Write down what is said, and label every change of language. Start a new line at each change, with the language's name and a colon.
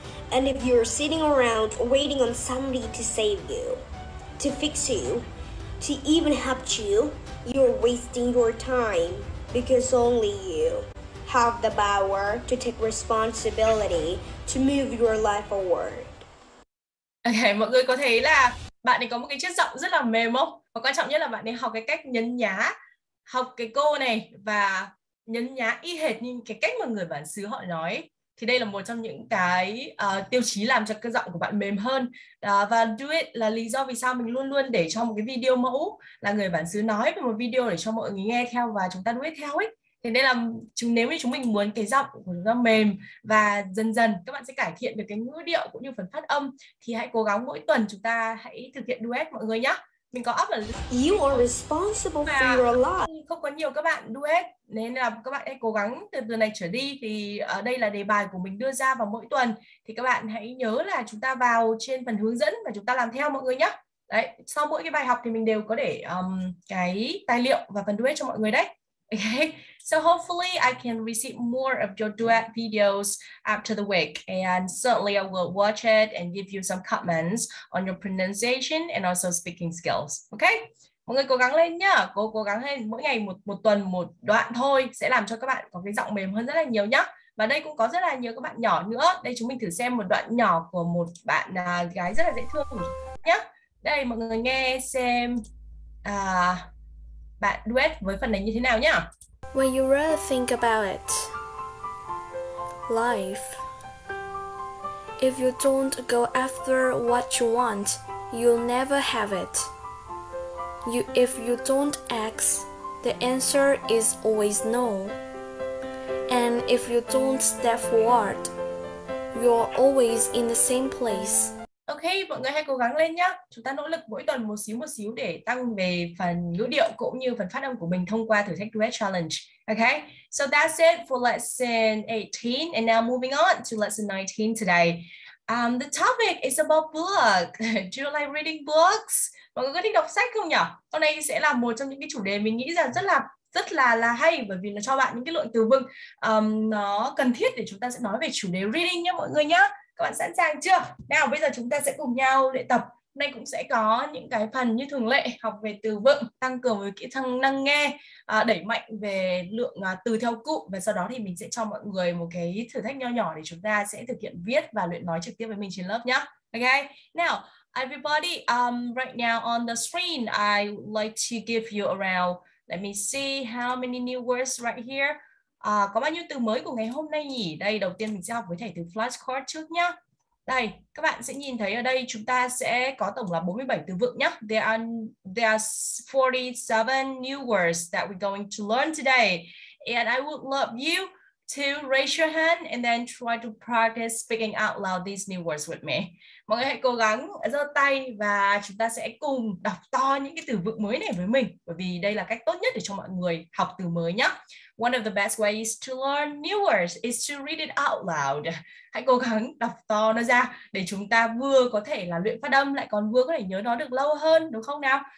English: And if you're sitting around waiting on somebody to save you, to fix you, to even help you, you're wasting your time because only you have the power to take responsibility to move your life forward.
Vietnamese: Okay, mọi người có thấy là bạn ấy có một cái chất giọng rất là mềm không? Và quan trọng nhất là bạn ấy học cái cách nhấn nhá, học cái cô này và nhấn nhá y hệt như cái cách mà người bản xứ họ nói. Thì đây là một trong những cái tiêu chí làm cho cái giọng của bạn mềm hơn. Và Duet là lý do vì sao mình luôn luôn để cho một cái video mẫu là người bản xứ nói về một video để cho mọi người nghe theo và chúng ta Duet theo ấy. Thì đây là nếu như chúng mình muốn cái giọng của chúng ta mềm và dần dần các bạn sẽ cải thiện được cái ngữ điệu cũng như phần phát âm thì hãy cố gắng mỗi tuần chúng ta hãy thực hiện Duet mọi người nhá. Mình có up là
English: you are responsible for your life.
Vietnamese: Không có nhiều các bạn Duet nên là các bạn hãy cố gắng từ từ này trở đi, thì ở đây là đề bài của mình đưa ra vào mỗi tuần thì các bạn hãy nhớ là chúng ta vào trên phần hướng dẫn và chúng ta làm theo mọi người nhá. Đấy, sau mỗi cái bài học thì mình đều có để cái tài liệu và phần Duet cho mọi người đấy. Okay.
English: So hopefully I can receive more of your Duet videos after the week, and certainly I will watch it and give you some comments on your pronunciation and also speaking skills. Okay?
Vietnamese: Mọi người cố gắng lên nhá, cố gắng lên, mỗi ngày một tuần một đoạn thôi sẽ làm cho các bạn có cái giọng mềm hơn rất là nhiều nhá. Và đây cũng có rất là nhiều các bạn nhỏ nữa. Đây chúng mình thử xem một đoạn nhỏ của một bạn gái rất là dễ thương nhá. Đây mọi người nghe xem bạn duet với phần này như thế nào nhá.
English: When you really think about it, life, if you don't go after what you want, you'll never have it. If you don't ask, the answer is always no. And if you don't step forward, you're always in the same place.
Vietnamese: Ok, mọi người hãy cố gắng lên nhá. Chúng ta nỗ lực mỗi tuần một xíu để tăng về phần ngữ điệu cũng như phần phát âm của mình thông qua thử thách Duet Challenge.
English: Ok, so that's it for lesson 18. And now moving on to lesson 19 today. The topic is about books. Do you like reading books?
Vietnamese: Mọi người có thích đọc sách không nhỉ? Hôm nay sẽ là một trong những cái chủ đề mình nghĩ rằng rất là hay, bởi vì nó cho bạn những cái lượng từ vựng nó cần thiết để chúng ta sẽ nói về chủ đề reading nhá mọi người nhá. Các bạn sẵn sàng chưa? Nào bây giờ chúng ta sẽ cùng nhau luyện tập. Hôm nay cũng sẽ có những cái phần như thường lệ, học về từ vựng, tăng cường với kỹ năng nghe, đẩy mạnh về lượng từ theo cụ. Và sau đó thì mình sẽ cho mọi người một cái thử thách nhỏ nhỏ để chúng ta sẽ thực hiện viết và luyện nói trực tiếp với mình trên lớp nhá.
English: Ok, now everybody, right now on the screen, I would like to give you around, let me see how many new words right here.
Vietnamese: Có bao nhiêu từ mới của ngày hôm nay nhỉ? Đây, đầu tiên mình sẽ học với thẻ từ flashcard trước nhá. Đây, các bạn sẽ nhìn thấy ở đây chúng ta sẽ có tổng là 47 từ vựng nhé.
English: There are 47 new words that we're going to learn today. And I would love you to raise your hand and then try to practice speaking out loud these new words with me.
Vietnamese: Mọi người hãy cố gắng giơ tay và chúng ta sẽ cùng đọc to những cái từ vựng mới này với mình. Bởi vì đây là cách tốt nhất để cho mọi người học từ mới nhé.
English: One of the best ways to learn new words is to read it out loud.
Vietnamese: Hãy cố gắng đọc to nó ra để chúng ta vừa có thể là luyện phát âm lại còn vừa có thể nhớ nó được lâu hơn, đúng không nào?